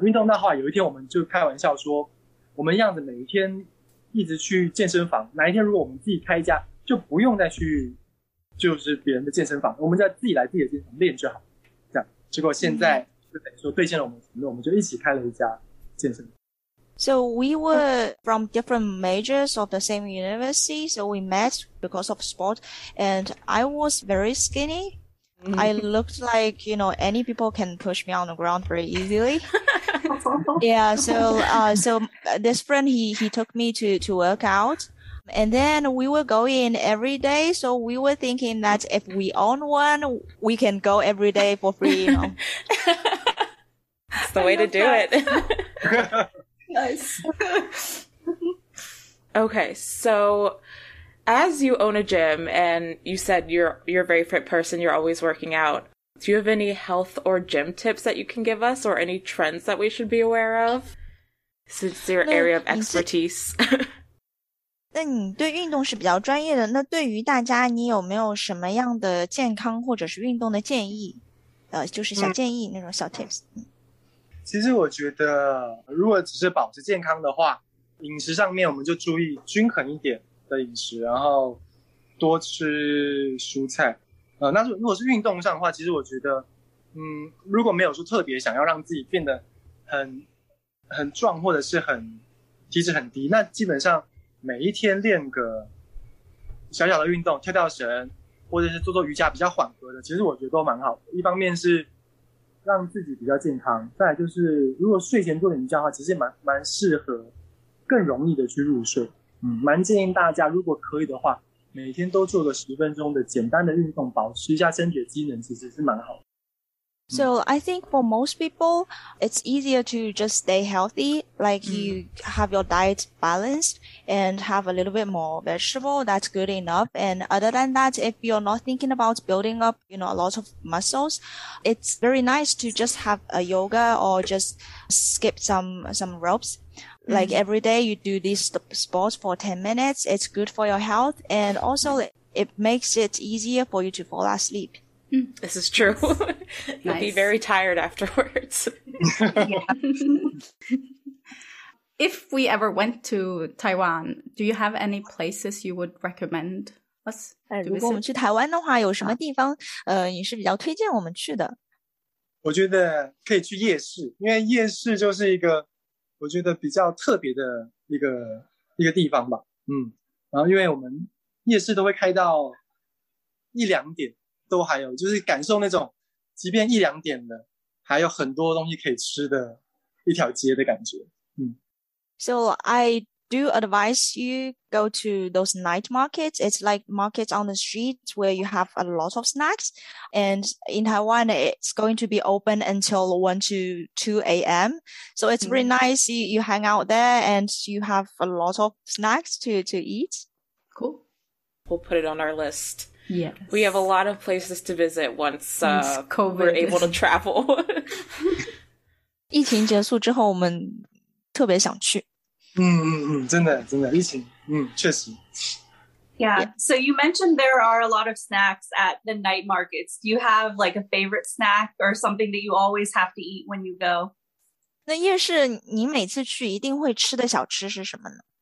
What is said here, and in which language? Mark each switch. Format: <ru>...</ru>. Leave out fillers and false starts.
<zh>运动的话，有一天我们就开玩笑说，我们样子每一天一直去健身房，哪一天如果我们自己开一家，就不用再去就是别人的健身房，我们就自己来自己的健身房练就好，这样。结果现在就等于说兑现了我们承诺，我们就一起开了一家健身房。</zh> <en>So we were from different majors of the same university, so we met because of sport, and I was very skinny. I looked like, you know, any people can push me on the ground very easily. Yeah, so this friend, he took me to work out. And then we were going every day, so we were thinking that if we own one, we can go every day for free, you know. That's the way to do it. Nice. Okay, so as you own a gym and you said you're a very fit person, you're always working out, do you have any health or gym tips that you can give us or any trends that we should be aware of since your area of expertise?</en> <zh>那你对运动是比较专业的，那对于大家你有没有什么样的健康或者是运动的建议，就是小建议那种小 tips？其实我觉得如果只是保持健康的话，饮食上面我们就注意均衡一点的饮食，然后多吃蔬菜。那如果是运动上的话，其实我觉得如果没有说特别想要让自己变得很壮或者是很体脂很低，那基本上每一天练个小小的运动，跳跳绳，或者是做做瑜伽比较缓和的，其实我觉得都蛮好的。一方面是让自己比较健康，再来就是如果睡前做点瑜伽的话，其实也蛮适合更容易的去入睡。蛮建议大家如果可以的话，每天都做个10分钟的简单的运动，保持一下身体的机能，其实是蛮好的。</zh> <en>So I think for most people, it's easier to just stay healthy, like you have your diet balanced and have a little bit more vegetable, that's good enough. And other than that, if you're not thinking about building up, you know, a lot of muscles, it's very nice to just have a yoga or just skip some ropes. Like every day you do these sports for 10 minutes, it's good for your health. And also it makes it easier for you to fall asleep. This is true. Nice. You'll be very tired afterwards. If we ever went to Taiwan, do you have any places you would recommend us?</en> <zh>如果我们去台湾的话，有什么地方，你是比较推荐我们去的？我觉得可以去夜市，因为夜市就是一个我觉得比较特别的一个地方吧。然后因为我们夜市都会开到一两点。都还有就是感受那种即便一两点的还有很多东西可以吃的一条街的感觉。</zh> <en>So I do advise you go to those night markets. It's like markets on the street where you have a lot of snacks. And in Taiwan, it's going to be open until 1 to 2 a.m. So it's really nice. You hang out there and you have a lot of snacks to eat. Cool. We'll put it on our list. Yes. We have a lot of places to visit once COVID. We're able to travel.</en> <zh>疫情结束之后我们特别想去。真的疫情确实。</zh> <en>Yeah, so you mentioned there are a lot of snacks at the night markets. Do you have like a favorite snack or something that you always have to eat when you go?</en> <zh>那夜市你每次去一定会吃的小吃是什么呢？</zh>